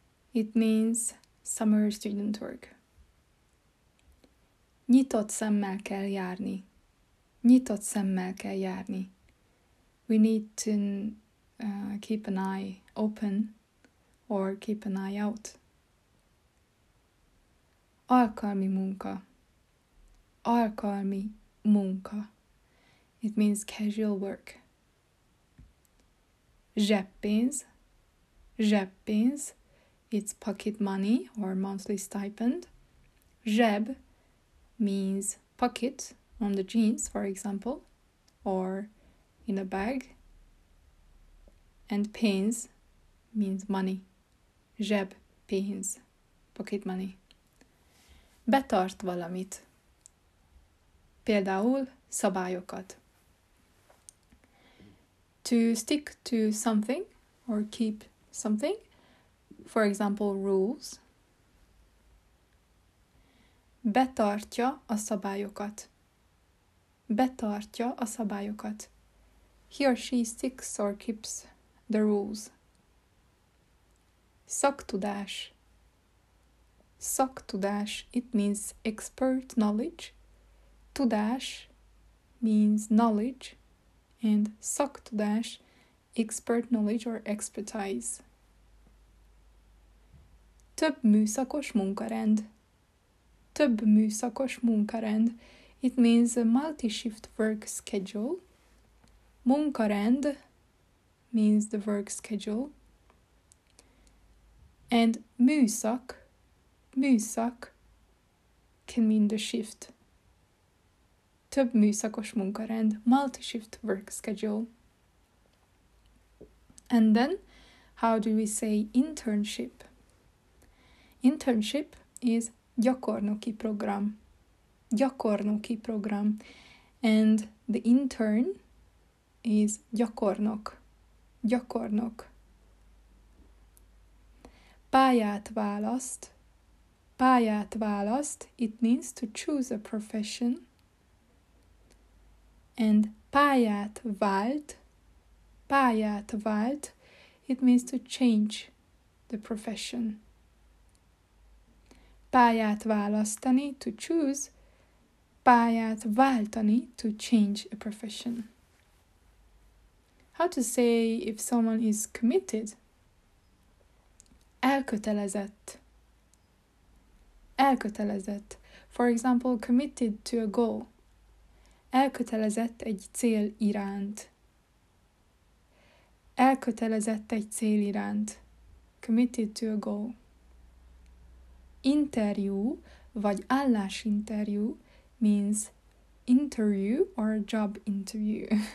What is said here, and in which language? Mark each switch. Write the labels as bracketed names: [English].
[English] It means summer student work. [Hungarian] Nyitott szemmel kell járni. Nyitott szemmel kell járni. [English] We need to keep an eye open or keep an eye out. [Hungarian] Alkalmi munka. Alkalmi munka. [English] It means casual work. [Hungarian] Zseppénz. Zseppénz. [English] It's pocket money or monthly stipend. Zseb means pocket on the jeans, for example, or in a bag. And pénz means money. [Hungarian] Zseb, pénz, [English] pocket money. [Hungarian] Betart valamit. Például szabályokat. [English] To stick to something or keep something. For example, rules. [Hungarian] Betartja a szabályokat. Betartja a szabályokat. [English] He or she sticks or keeps the rules. Szaktudás. Szaktudás, it means expert knowledge. Tudás means knowledge. And szaktudás, expert knowledge or expertise. [Hungarian] Több műszakos munkarend. Több műszakos munkarend. [English] It means a multi-shift work schedule. Munkarend means the work schedule. And műszak, műszak can mean the shift. Több műszakos munkarend, multi-shift work schedule. And then, how do we say internship? Internship is gyakornoki program. [Hungarian] Gyakornoki program. [English] And the intern is gyakornok. Gyakornok. [Hungarian] Pályát választ. Pályát választ. [English] It means to choose a profession. [Hungarian] And pályát vált. Pályát vált. [English] It means to change the profession. [Hungarian] Pályát választani, [English] to choose. [Hungarian] Pályát váltani, [English] to change a profession. How to say if someone is committed? [Hungarian] Elkötelezett. Elkötelezett. [English] For example, committed to a goal. [Hungarian] Elkötelezett egy cél iránt. Elkötelezett egy cél iránt. [English] Committed to a goal. [Hungarian] Interjú vagy állásinterjú [English] means interview or job interview.